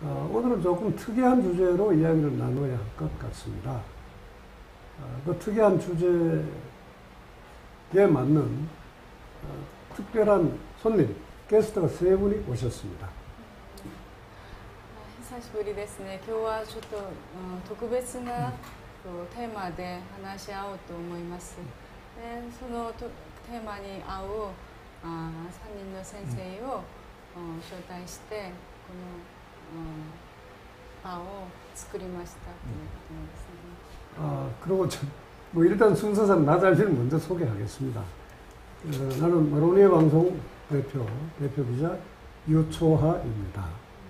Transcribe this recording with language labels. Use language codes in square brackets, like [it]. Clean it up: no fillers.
[ko] 오늘은 조금 특이한 주제로 이야기를 나눠야 할것 같습니다. 그 특이한 주제에 맞는 특별한 손님, 게스트가 세 분이 오셨습니다. [ja] 久しぶりですね。今日はちょっと特別なテーマで話し合おうと思います。で、そのテーマに合う3人の先生を招待して、この場を作りました [ko] 그리고 뭐 일단 순서상 나 자신을 먼저 소개하겠습니다. 나는 마로니에 방송 대표 기자 유초하입니다.